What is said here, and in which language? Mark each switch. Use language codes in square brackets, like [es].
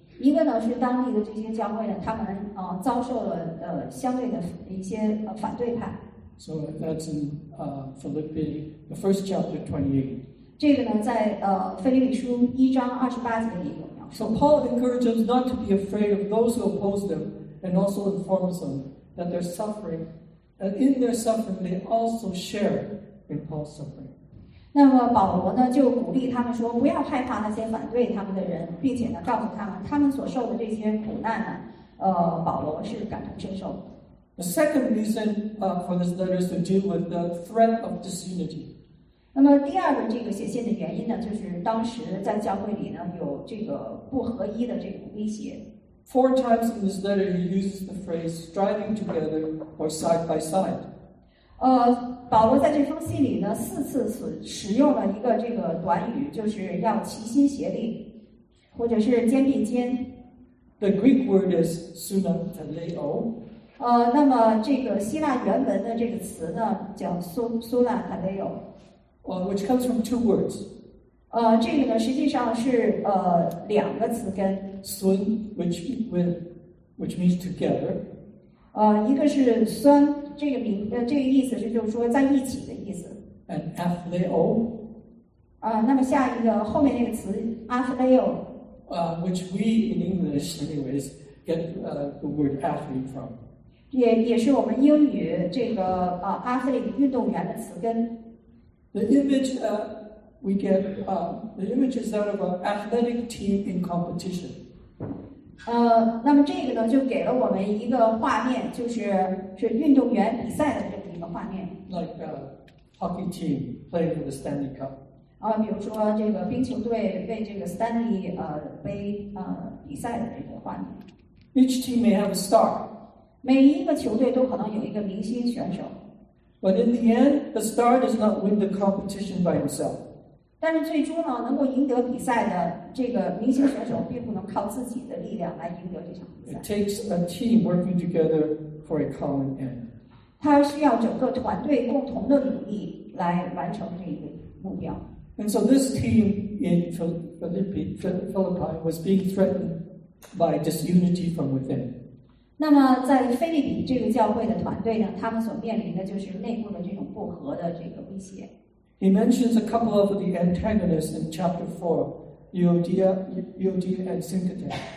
[zh] 一个呢是当地的这些教会呢，他们遭受了相对的一些反对派。 [en] So that's in Philippians, the first chapter 28. [zh] 这个呢在腓立比书一章二十八节里有。 [en] So Paul encourages not to be afraid of those who oppose them, and also informs them that they're suffering, and in their suffering they also share in Paul's suffering. [zh] 那么保罗呢就鼓励他们说，不要害怕那些反对他们的人，并且呢告诉他们，他们所受的这些苦难呢，保罗是感同身受的。 [en] The second reason for this letter is to deal with the threat of disunity. [zh] 那么第二个这个写信的原因呢，就是当时在教会里呢有这个不合一的这种威胁。 [en] Four times in this letter he uses the phrase striving together or side by side. [zh] 保罗在这封信里呢，四次使用了一个这个短语，就是要齐心协力，或者是肩并肩。 [en] The Greek word is synateleo. [zh] 那么这个希腊原文的这个词呢，叫synateleo. [en] Which comes from two words. [zh] 这个呢实际上是两个词根。 [en] Syn, which means together. [zh] 一个是酸。这个名这个意思是就是说在一起的意思。 [en] And athleo. [zh] 那么下一个后面那个词 athleo. [en] Which we in English, anyways, get the word athlete from. [zh] 也是我们英语这个athlete 运动员的词根。 [en] The image we get, the image is that of an athletic team in competition. [zh] 那么这个呢就给了我们一个画面，就是运动员比赛的这么一个画面。 [en] Like hockey team playing for the Stanley Cup. [zh] 啊，比如说这个冰球队为这个 Stanley 杯比赛的这个画面。 [en] Each team may have a star. [zh] 每一个球队都可能有一个明星选手。 [en] But in the end, the star does not win the competition by himself. [zh] 但是最终呢，能够赢得比赛的这个明星选手，并不能靠自己的力量来赢得这场比赛。 [en] It takes a team working together for a common end. [zh] 它需要整个团队共同的努力来完成这一个目标。 [en] And so this team in Philippi was being threatened by disunity from within. [zh] 那么在腓立比这个教会的团队呢，他们所面临的就是内部的这种不和的这个威胁。 [en] He mentions a couple of the antagonists in chapter 4, Euodia and Syntyche.